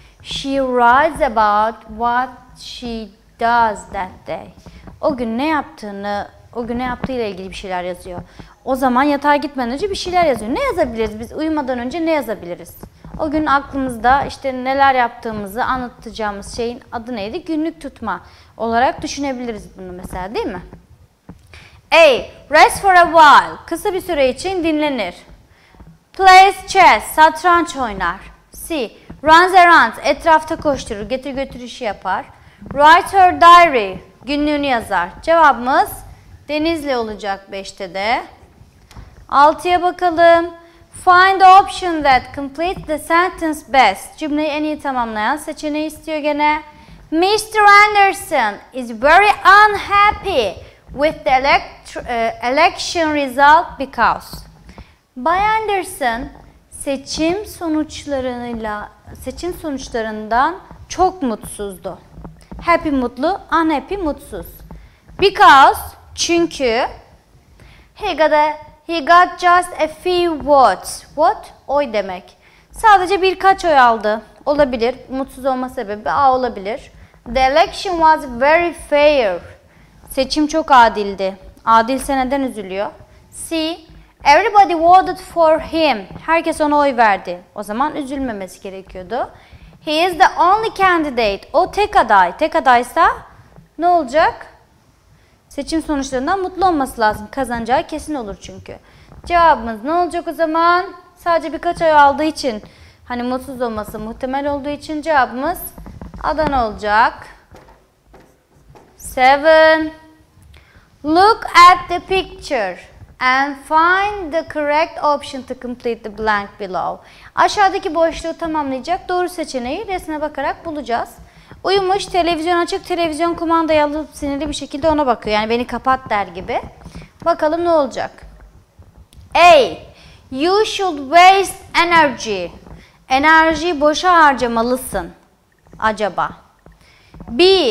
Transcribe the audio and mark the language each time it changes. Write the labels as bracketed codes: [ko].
[en] She writes about what she does that day. [tr] O gün ne yaptığını, o gün ne yaptığıyla ilgili bir şeyler yazıyor. O zaman yatağa gitmeden önce bir şeyler yazıyor. Ne yazabiliriz biz uyumadan önce ne yazabiliriz? O gün aklımızda işte neler yaptığımızı anlatacağımız şeyin adı neydi? Günlük tutma olarak düşünebiliriz bunu mesela, değil mi? [en] A. Rest for a while. [tr] Kısa bir süre için dinlenir. [en] Plays chess. [tr] Satranç oynar. C. [en] Runs around. [tr] Etrafta koşturur. Getir götür işi yapar. [en] Write her diary. [tr] Günlüğünü yazar. Cevabımız Denizli olacak 5'te de. 6'ya bakalım. [en] Find the option that completes the sentence best. [tr] Cümleyi en iyi tamamlayan seçeneği istiyor gene. Mr. [en] Anderson is very unhappy with the election result because. [tr] Bay Anderson seçim sonuçlarıyla seçim sonuçlarından çok mutsuzdu. Happy mutlu, unhappy mutsuz. [en] Because çünkü he got just a few votes. [tr] What? Oy demek. Sadece birkaç oy aldı. Olabilir. Mutsuz olma sebebi A olabilir. [en] The election was very fair. [tr] Seçim çok adildi. Adilse neden üzülüyor? C. [en] Everybody voted for him. [tr] Herkes ona oy verdi. O zaman üzülmemesi gerekiyordu. [en] He is the only candidate. [tr] O tek aday. Tek adaysa ne olacak? Seçim sonuçlarından mutlu olması lazım. Kazanacağı kesin olur çünkü. Cevabımız ne olacak o zaman? Sadece birkaç ay aldığı için, hani mutsuz olması muhtemel olduğu için cevabımız Adana olacak. 7. [en] Look at the picture and find the correct option to complete the blank below. [tr] Aşağıdaki boşluğu tamamlayacak doğru seçeneği resme bakarak bulacağız. Uyumuş, televizyon açık, televizyon kumandayı alıp sinirli bir şekilde ona bakıyor. Yani beni kapat der gibi. Bakalım ne olacak? A. [en] You should waste energy. [tr] Enerjiyi boşa harcamalısın. Acaba. [en] B.